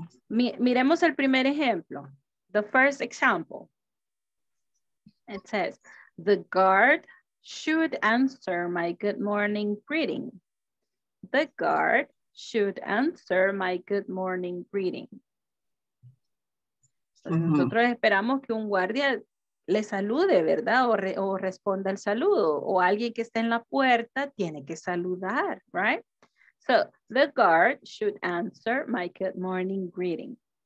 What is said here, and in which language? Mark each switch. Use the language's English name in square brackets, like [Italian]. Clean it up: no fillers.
[Spanish] Miremos el primer ejemplo. [English] The first example. It says, the guard should answer my good morning greeting. The guard should answer my good morning greeting. [Spanish] Nosotros esperamos que un guardia le salude, ¿verdad? O responda el saludo. O alguien que está en la puerta tiene que saludar, right? [English] So, the guard should answer my good morning greeting.